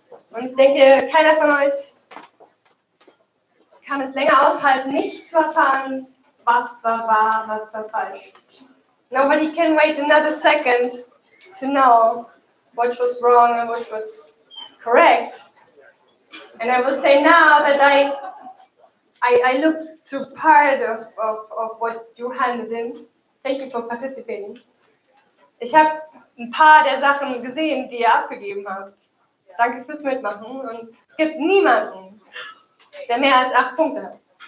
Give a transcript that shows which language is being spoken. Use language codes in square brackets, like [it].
[de] Und ich denke, keiner von euch kann es länger aushalten, nicht zu erfahren, was war wahr, was war falsch. [en] Nobody can wait another second to know what was wrong and what was correct. And I will say now that I looked to part of what you handed in. Thank you for participating. [de] Ich habe ein paar der Sachen gesehen, die ihr abgegeben habt. Danke fürs Mitmachen. Und es gibt niemanden, der mehr als 8 Punkte hat.